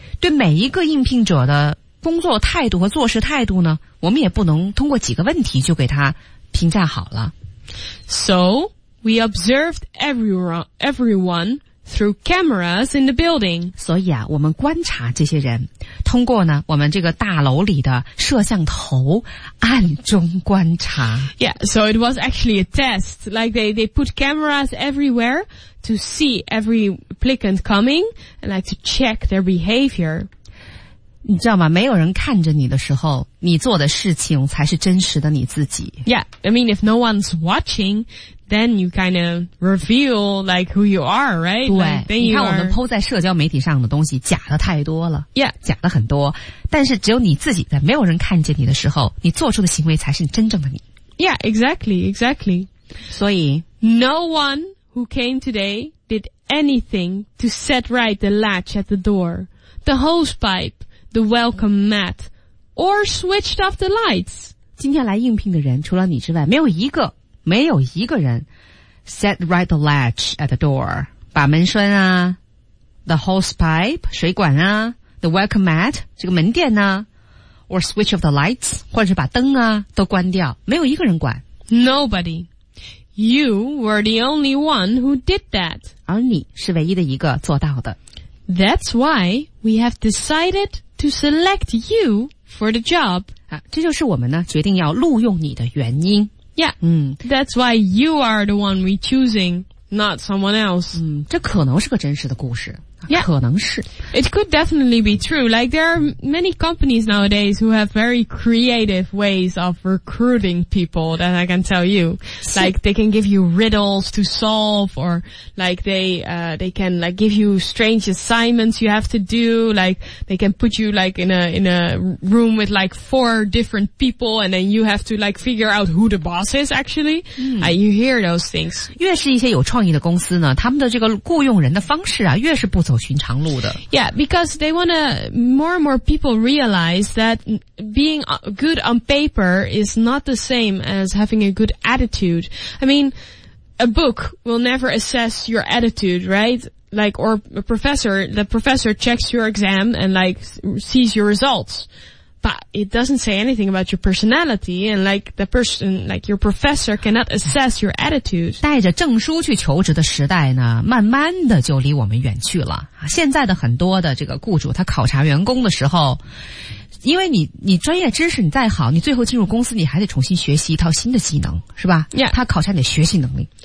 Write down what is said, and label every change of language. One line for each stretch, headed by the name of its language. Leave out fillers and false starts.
Chinese: 对每一个应聘者的工作态度和做事态度呢，我们也不能通过几个问题就给他评价好了。
English: So we observed everyone through cameras in the building.
Chinese: 所以啊，我们观察这些人。通过呢我们这个大楼里的摄像头暗中观察。
English: Yeah, so it was actually a test. Like they put cameras everywhere to see every applicant coming and like to check their behavior.
Chinese: 你知道吗没有人看着你的时候你做的事情才是真实的你自己。
English: Yeah, I mean if no one's watching, then you kind of reveal like who you are, right?
Chinese: 对 like, 你看我们 po 在社交媒体上的东西假的太多了。
English: Yeah.
Chinese: 假的很多。但是只有你自己在没有人看见你的时候你做出的行为才是你真正的你。
English: Yeah, exactly.
Chinese: 所以
English: No one who came today did anything to set right the latch at the door, the hose pipe,The welcome mat, or switched off the lights.
Chinese: 今天来应聘的人除了你之外没有一个没有一个人
English: set right the latch at the door.
Chinese: 把门栓啊
English: the hose pipe,
Chinese: 水管啊
English: the welcome mat,
Chinese: 这个门垫啊
English: or switch off the lights,
Chinese: 或者是把灯啊都关掉没有一个人管。
English: Nobody. You were the only one who did that.
Chinese: 而你是唯一的一个做到的。
English: That's why we have decided... To select you for the job.
Chinese: 啊，这就是我们呢决定要录用你的原因。
English: Yeah. 嗯。 That's why you are the one we choosing, not someone else.
Chinese: 嗯，这可能是个真实的故事。
English: Yeah.
Chinese: 可能是。
English: It could definitely be true. Like, there are many companies nowadays who have very creative ways of recruiting people that I can tell you. Like, they can give you riddles to solve or like they can like give you strange assignments you have to do. Like, they can put you like in a room with like four different people and then you have to like figure out who the boss is actually. Mm. You hear those things.
Chinese: 越是一些有创意的公司呢他们的这个雇佣人的方式啊越是不走寻常路的。
English: Yeah, because they want to, more and more people realize that being good on paper is not the same as having a good attitude. I mean, a book will never assess your attitude, right? Like, or a professor, the professor checks your exam and like sees your results. but it doesn't say anything about your personality, and like the person, like your professor cannot assess your attitude.
Chinese: 带着证书去求职的时代呢，慢慢的就离我们远去了。现在的很多的这个雇主，他考察员工的时候，因为你专业知识你再好，你最后进入公司你还得重新学习一套新的技能，是吧？
English: Yeah.
Chinese: 他考察你的学习能力。